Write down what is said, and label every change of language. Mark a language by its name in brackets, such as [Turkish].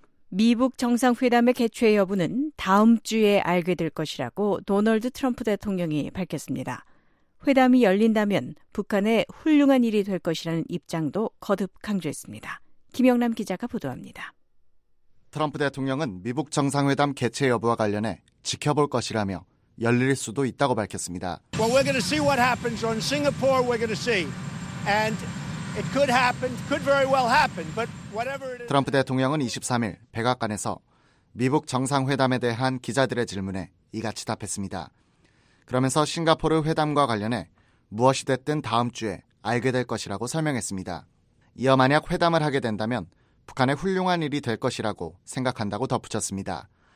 [Korean] 미북 정상회담의 개최 여부는 다음 주에 알게 될 것이라고 도널드 트럼프 대통령이 밝혔습니다. 회담이 열린다면 북한의 훌륭한 일이 될 것이라는 입장도 거듭 강조했습니다. 김영남 기자가 보도합니다. 트럼프 대통령은 미북 정상회담 개최 여부와 관련해 지켜볼 것이라며 열릴 수도 있다고 밝혔습니다. [English] Well, we're going to see what happens on Singapore. We're going to see. And it could happen, could very well happen. But whatever it is. [Korean] 트럼프 대통령은 23일 백악관에서 미북 정상회담에 대한 기자들의 질문에 이같이 답했습니다. 그러면서 싱가포르 회담과 관련해 무엇이 됐든 다음 주에 알게 될 것이라고 설명했습니다. 이어 만약 회담을 하게 된다면 북한의 훌륭한 일이 될 것이라고 생각한다고 덧붙였습니다.